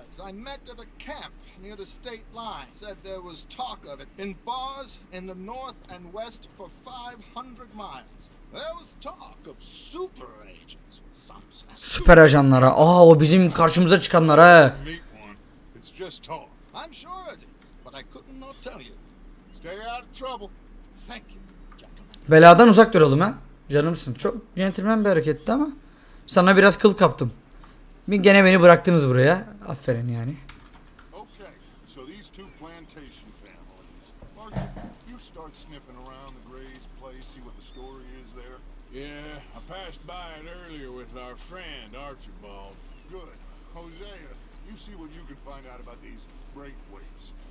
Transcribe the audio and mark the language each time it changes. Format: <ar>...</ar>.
<en>I met at a camp near the state line. Said there was talk of it in bars in the north and west for 500 miles. There was talk of super agents.</en> <tr>Süper ajanlara. Aa, o bizim karşımıza çıkanlara.</tr> <en>It's just talk. I'm sure it is, but I couldn't not tell you. Stay out of trouble. Thank you, gentlemen.</en> <tr>Beladan uzak duralım ha. Canımsın. Çok centilmen bir hareketti ama sana biraz kıl kaptım. Gene beni bıraktınız buraya. Aferin yani.</tr> <en>So these two plantation families. Margaret, you start sniffing around the Gray's place, see what the story is there. Yeah, I passed by it earlier with our friend, Archibald. Good. Hosea, you see what you can find out about these Braithwaites.</en>